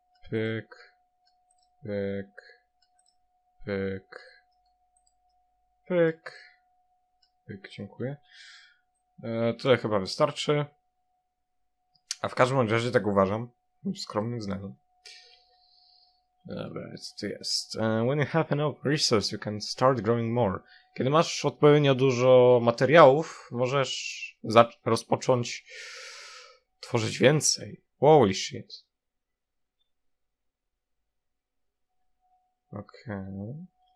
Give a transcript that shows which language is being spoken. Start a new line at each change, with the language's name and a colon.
Polish: Pyk, pyk, pyk, pyk, pyk, dziękuję. Tyle chyba wystarczy. A w każdym razie tak uważam, w skromnym zdaniu. Dobra, co tu jest?
English: When you have enough resources, you can start growing more.
Polish: Kiedy masz odpowiednio dużo materiałów, możesz rozpocząć tworzyć więcej.
English: Holy shit.
Polish: Okej. Okay.